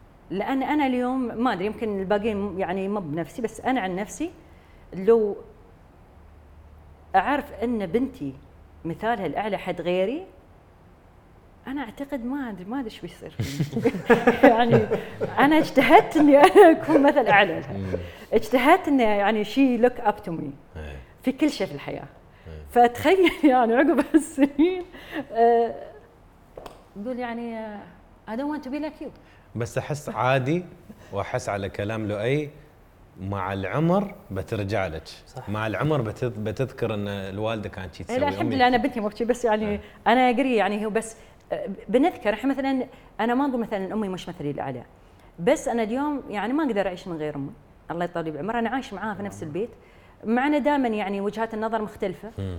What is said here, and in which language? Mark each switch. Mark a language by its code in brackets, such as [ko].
[ar] لان انا اليوم ما ادري يمكن الباقيين يعني مو بنفسي، بس انا عن نفسي لو اعرف ان بنتي مثالها الاعلى حد غيري، انا اعتقد ما ادري ايش بيصير يعني انا اجتهدت اني انا اكون مثل اعلى، اجتهدت اني يعني شيء [en] look up to me [ar] في كل شيء في الحياه. فتخيل يعني عقب السنين اقول يعني [en] I don't want to be like you. [ar] بس احس عادي واحس على كلام لؤي، مع العمر بترجع لك. صح. مع العمر بتذكر ان الوالده كانت تسوي. لا الحمد لله انا بنتي مو كذي، بس يعني انا اقري يعني هو بس بنذكر احنا مثلا. انا ما اقول مثلا امي مش مثلي الاعلى، بس انا اليوم يعني ما اقدر اعيش من غير امي الله يطول بعمرها. انا عايش معاها في نفس البيت، معنا دائما يعني وجهات النظر مختلفه.